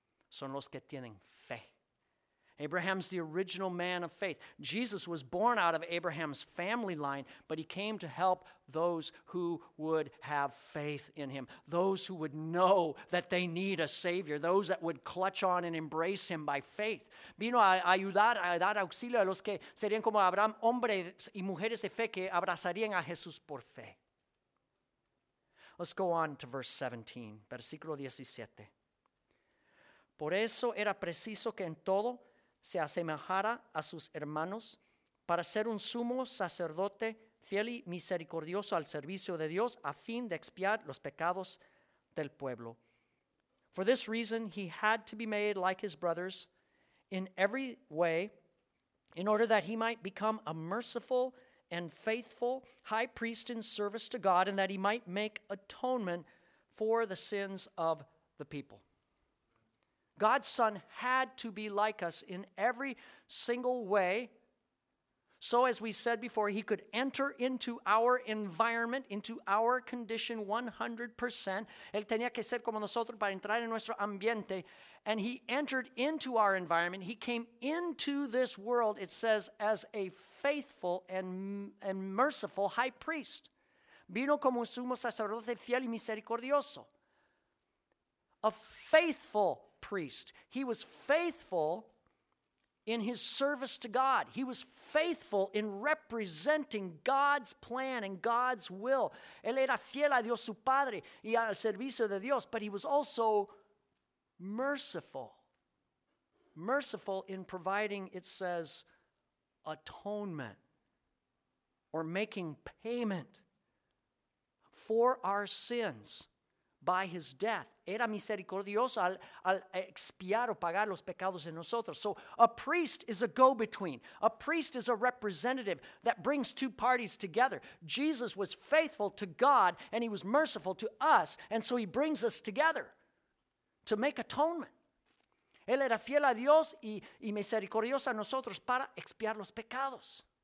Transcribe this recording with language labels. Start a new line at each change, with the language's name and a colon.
Spanish: Son los que tienen fe.
English: Abraham's the original man of faith. Jesus was born out of Abraham's family line, but he came to help those who would have faith in him, those who would know that they need a Savior, those that would clutch on and embrace him by faith.
Spanish: Vino a ayudar, a dar auxilio a los que serían como Abraham, hombres y mujeres de fe que abrazarían a Jesús por fe.
English: Let's go on to verse 17,
Spanish: versículo 17. Por eso era preciso que en todo se asemejara a sus hermanos para ser un sumo sacerdote fiel y misericordioso al servicio de Dios a fin de expiar los pecados del pueblo.
English: For this reason, he had to be made like his brothers in every way in order that he might become a merciful and faithful high priest in service to God and that he might make atonement for the sins of the people. God's son had to be like us in every single way. So as we said before, he could enter into our environment, into our condition 100%.
Spanish: Él tenía que ser como nosotros para entrar en nuestro ambiente.
English: And he entered into our environment. He came into this world, it says, as a faithful and merciful high priest.
Spanish: Vino como un sumo sacerdote fiel y misericordioso.
English: A faithful priest. He was faithful in his service to God. He was faithful in representing God's plan and God's will.
Spanish: Él era fiel a Dios su padre y al servicio de Dios,
English: but he was also merciful. Merciful in providing, it says, atonement or making payment for our sins by his death.
Spanish: Era misericordioso al expiar o pagar los pecados de nosotros.
English: So a priest is a go-between. A priest is a representative that brings two parties together. Jesus was faithful to God and he was merciful to us, and so he brings us together to make atonement.
Spanish: Él era fiel a Dios y misericordioso a nosotros para expiar los pecados.